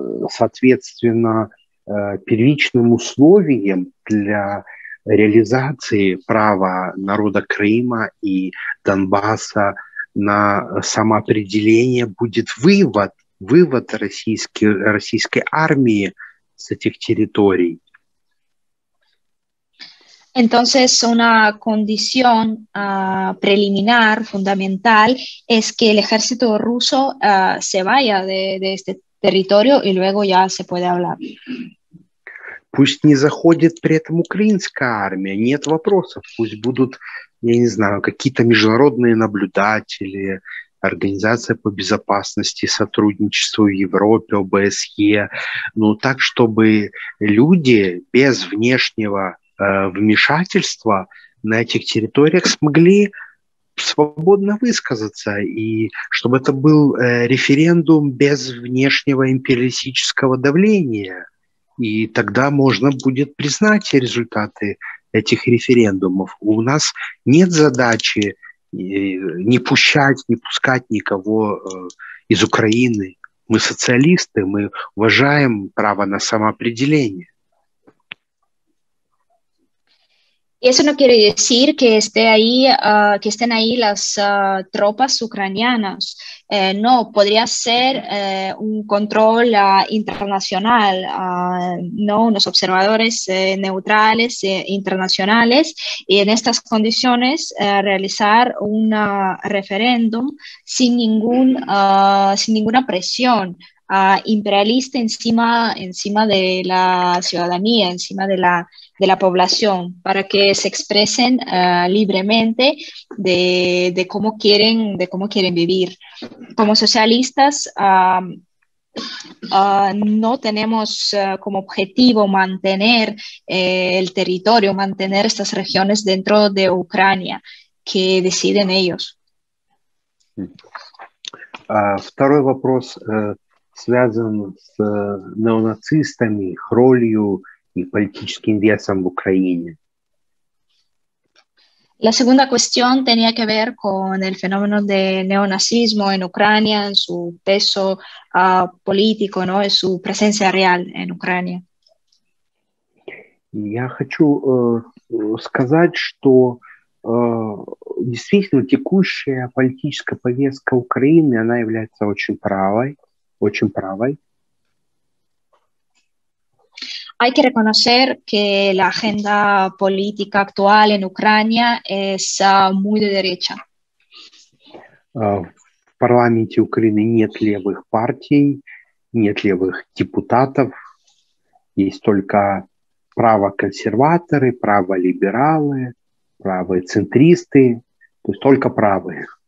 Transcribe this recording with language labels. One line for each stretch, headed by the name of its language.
Russian: Соответственно, первичным условием для реализации права народа Крыма и Донбасса на самоопределение будет вывод российской армии с этих территорий.
Spanish: Entonces, una condición preliminar, fundamental, es que el ejército ruso se vaya de este territorio y luego ya se puede hablar.
Russian: Пусть не заходит при этом украинская армия, нет вопросов, пусть будут, я не знаю, какие-то международные наблюдатели, организация по безопасности, сотрудничеству в Европе, ОБСЕ, ну так, чтобы люди без внешнего вмешательства на этих территориях смогли свободно высказаться, и чтобы это был референдум без внешнего империалистического давления. И тогда можно будет признать результаты этих референдумов. У нас нет задачи не пускать никого из Украины. Мы социалисты, мы уважаем право на самоопределение.
Spanish: Eso no quiere decir que estén ahí las tropas ucranianas. No, podría ser un control internacional, ¿no? Unos observadores neutrales internacionales y en estas condiciones realizar un referéndum sin ninguna presión imperialista encima de la ciudadanía, encima de la población, para que se expresen libremente de cómo quieren vivir. Como socialistas, no tenemos como objetivo mantener el territorio, mantener estas regiones dentro de Ucrania, que deciden ellos.
Russian: Второй вопрос связан с неонацистами, их ролью и политическим весом в Украине.
Spanish: La segunda cuestión tenía que ver con el fenómeno de neonazismo en Ucrania, en su peso político, ¿no? En su presencia real en Ucrania.
Russian: Я хочу сказать, что действительно текущая политическая повестка Украины, она является очень правой. Очень правой.
Spanish: Hay que reconocer que la agenda política actual en Ucrania es muy de derecha.
Russian: В парламенте Украины нет левых партий, нет левых депутатов, есть только право-консерваторы, право-либералы, право-центристы, то есть только правые.